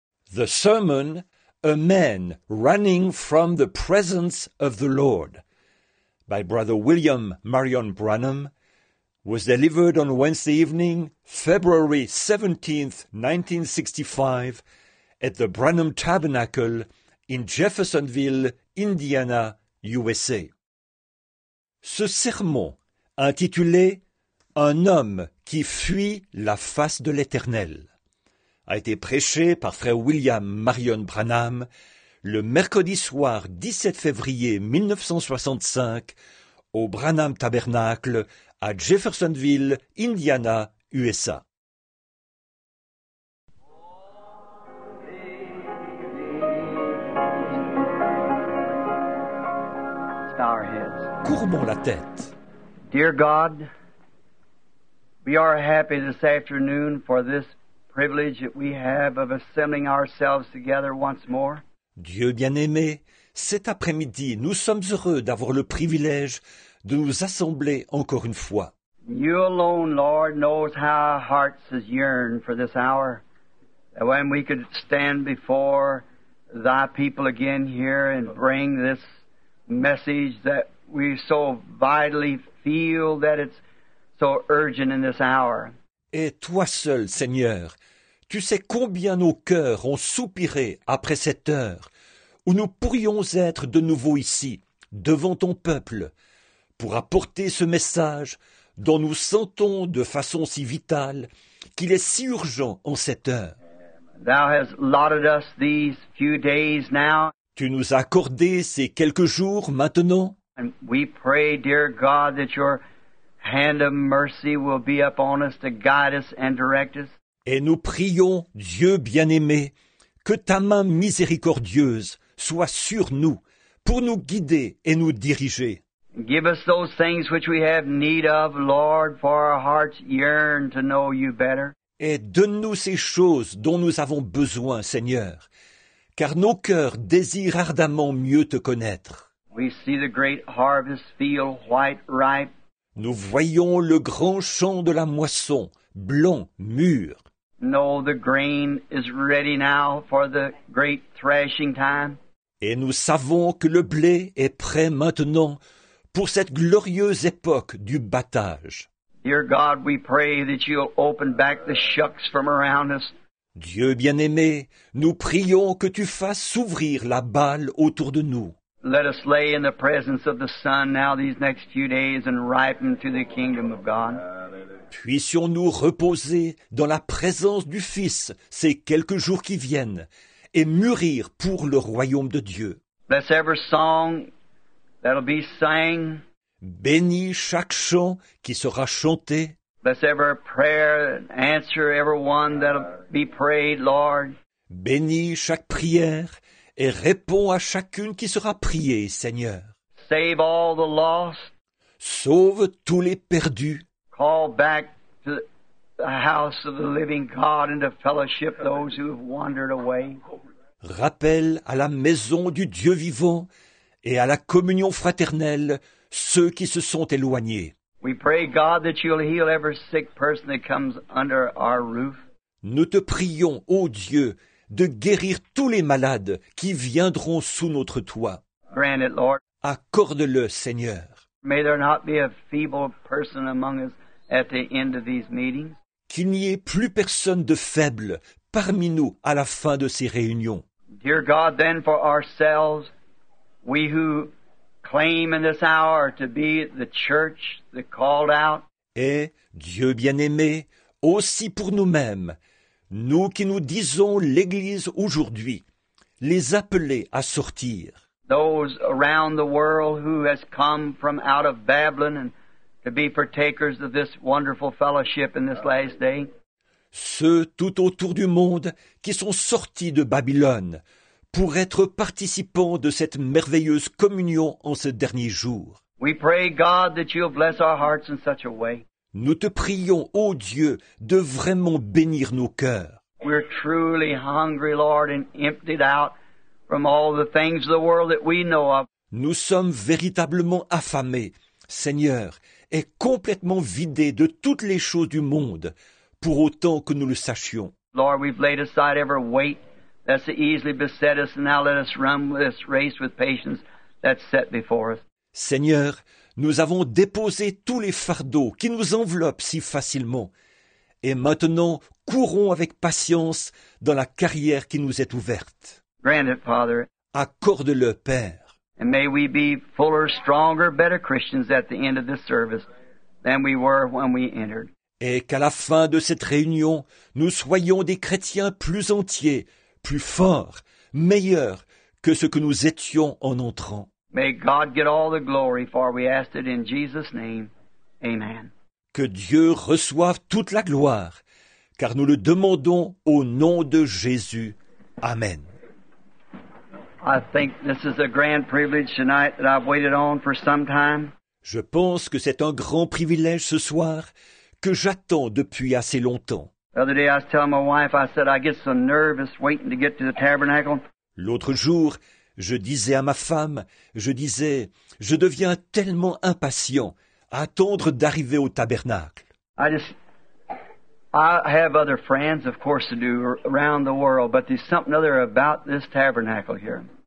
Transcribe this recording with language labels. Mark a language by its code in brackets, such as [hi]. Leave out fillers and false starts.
[en] the sermon, A Man Running from the Presence of the Lord, by Brother William Marion Branham, was delivered on Wednesday evening, February 17, 1965, at the Branham Tabernacle in Jeffersonville, Indiana, USA. [fr] Ce sermon, intitulé « Un homme qui fuit la face de l'Éternel », a été prêché par Frère William Marion Branham le mercredi soir 17 février 1965 au Branham Tabernacle à Jeffersonville, Indiana, USA. Courbons la tête. [en] Dear God, we are happy this afternoon for this privilege that we have of assembling ourselves together once more. [fr] Dieu bien-aimé, cet après-midi, nous sommes heureux d'avoir le privilège de nous assembler encore une fois. [en] You alone, Lord, knows how our hearts yearn for this hour, when we could stand before Thy people again here and bring this message that we so vitally feel that it's so urgent in this hour. [fr] Et toi seul, Seigneur, tu sais combien nos cœurs ont soupiré après cette heure où nous pourrions être de nouveau ici, devant ton peuple, pour apporter ce message dont nous sentons de façon si vitale qu'il est si urgent en cette heure. [en] Thou hast allotted us these few days now. [fr] Tu nous as accordé ces quelques jours maintenant. [en] And we pray, dear God, that your hand of mercy will be upon us to guide us and direct us. [fr] Et nous prions, Dieu bien-aimé, que ta main miséricordieuse soit sur nous pour nous guider et nous diriger. [en] Give us those things which we have need of, Lord, for our hearts yearn to know you better. [fr] Et donne-nous ces choses dont nous avons besoin, Seigneur, car nos cœurs désirent ardemment mieux te connaître. [en] We see the great harvest field white, ripe. [fr] Nous voyons le grand champ de la moisson, blanc, mûr. [en] No, the grain is ready now for the great threshing time. [fr] Et nous savons que le blé est prêt maintenant pour cette glorieuse époque du battage. [en] Dear God, we pray that you'll open back the shucks from around us. [fr] Dieu bien-aimé, nous prions que tu fasses s'ouvrir la balle autour de nous. [en] Let us lay in the presence of the Son now these next few days and ripen to the kingdom of God. [fr] Puissions-nous reposer dans la présence du Fils ces quelques jours qui viennent et mûrir pour le royaume de Dieu. [en] Bless every song that'll be sang. [fr] Bénis chaque chant qui sera chanté. [en] Bless every prayer and answer everyone that'll be prayed, Lord. [fr] Bénis chaque prière et réponds à chacune qui sera priée, Seigneur. [en] Save all the lost. [fr] Sauve tous les perdus. [en] Call back to the house of the living God and to fellowship those who have wandered away. [fr] Rappelle à la maison du Dieu vivant et à la communion fraternelle ceux qui se sont éloignés. [en] We pray, God, that you'll heal every sick person that comes under our roof. [fr] Nous te prions, ô Dieu, de guérir tous les malades qui viendront sous notre toit. [en] Grant it, Lord. [fr] Accorde-le, Seigneur. [en] May there not be a feeble person among us at the end of these meetings. [fr] Qu'il n'y ait plus personne de faible parmi nous à la fin de ces réunions. [en] Dear God, then for ourselves, we who claim in this hour to be the church that called out. [fr] Et Dieu bien-aimé, aussi pour nous-mêmes, nous qui nous disons l'Église aujourd'hui, les appeler à sortir. [en] Those around the world who has come from out of Babylon and to be partakers of this wonderful fellowship in this last day. [fr] Ceux tout autour du monde qui sont sortis de Babylone pour être participants de cette merveilleuse communion en ce dernier jour. [en] We pray, God, that you'll bless our hearts in such a way. [fr] Nous te prions, ô Dieu, de vraiment bénir nos cœurs. [en] We're truly hungry, Lord, and emptied out from all the things of the world that we know of. [fr] Nous sommes véritablement affamés, Seigneur, et complètement vidés de toutes les choses du monde, pour autant que nous le sachions. [en] Lord, we've laid aside every weight that so easily beset us, and now let us run this race with patience that's set before us. [fr] Seigneur, nous avons déposé tous les fardeaux qui nous enveloppent si facilement, et maintenant courons avec patience dans la carrière qui nous est ouverte. [en] Grant it, Father. [fr] Accorde-le, Père. [en] And may we be fuller, stronger, better Christians at the end of this service than we were when we entered. [fr] Et qu'à la fin de cette réunion, nous soyons des chrétiens plus entiers, plus forts, meilleurs que ce que nous étions en entrant. [en] May God get all the glory, for we ask it in Jesus' name. Amen. [fr] Que Dieu reçoive toute la gloire, car nous le demandons au nom de Jésus. Amen. [en] I think this is a grand privilege tonight that I've waited on for some time. [fr] Je pense que c'est un grand privilège ce soir que j'attends depuis assez longtemps. [en] The other day I was telling my wife, I said, I get so nervous waiting to get to the tabernacle. [fr] L'autre jour, je disais à ma femme, je deviens tellement impatient à attendre d'arriver au tabernacle. [en] I have other friends, of course, to do around the world, but there's something other about this tabernacle here.